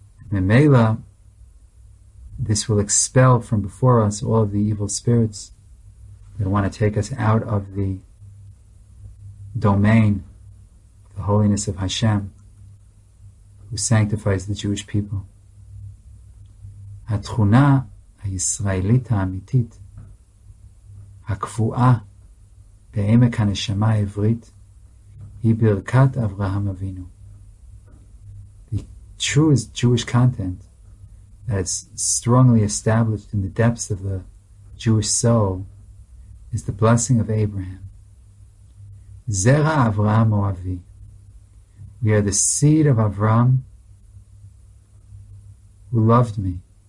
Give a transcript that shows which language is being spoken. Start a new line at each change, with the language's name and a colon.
English: And Memela, this will expel from before us all of the evil spirits that want to take us out of the domain of the holiness of Hashem, who sanctifies the Jewish people.
Hebrew: התכונה הישראלית האמיתית, הקפואה בעמק הנשמה העברית, היא ברכת אברהם אבינו.
English: The true Jewish content that is strongly established in the depths of the Jewish soul is the blessing of Abraham.
Hebrew: זרע אברהם או אבי.
English: We are the seed of Abraham who loved me.